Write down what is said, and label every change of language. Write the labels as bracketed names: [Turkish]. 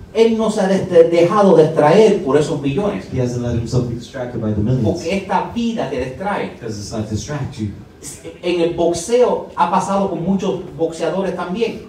[Spanish] Él no se ha dejado distraer por esos millones. [English] He hasn't let himself be distracted by the millions. [Spanish] Porque esta vida te distrae. [English] Because this life distracts you. [Spanish] En el boxeo ha pasado con muchos boxeadores también.